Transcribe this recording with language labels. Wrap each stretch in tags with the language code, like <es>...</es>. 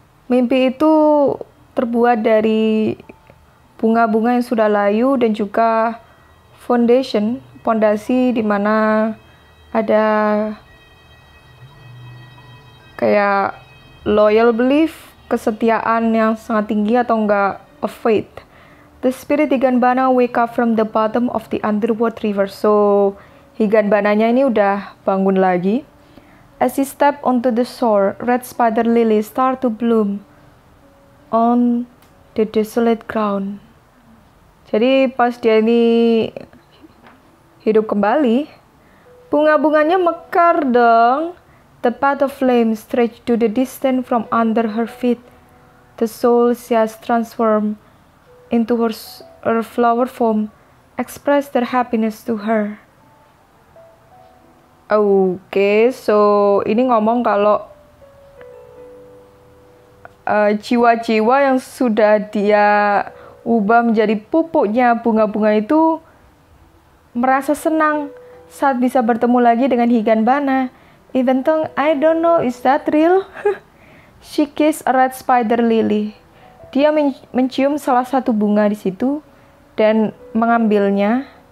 <id>Mimpi itu terbuat dari bunga-bunga yang sudah layu dan juga pondasi di mana ada kayak</id> <en>loyal belief,</en> <id>kesetiaan yang sangat tinggi atau enggak,</id> <en>a faith. The spirit Higanbana wake up from the bottom of the underworld river.</en> <id>So, Higanbananya ini udah bangun lagi.</id> <en>As he step onto the shore, red spider lily start to bloom on the desolate ground.</en> <id>Jadi pas dia ini hidup kembali, bunga-bunganya mekar dong.</id> <en>The path of flame stretch to the distance from under her feet. The soul she has transformed into her flower form express their happiness to her. Okay, so</en> <id>ini ngomong kalau jiwa-jiwa yang sudah dia ubah menjadi pupuknya bunga-bunga itu merasa senang saat bisa bertemu lagi dengan Higanbana.</id> <en>Even though I don't know is that real? She kissed a red spider lily.</en> <id>Dia mencium salah satu bunga di situ dan mengambilnya.</id>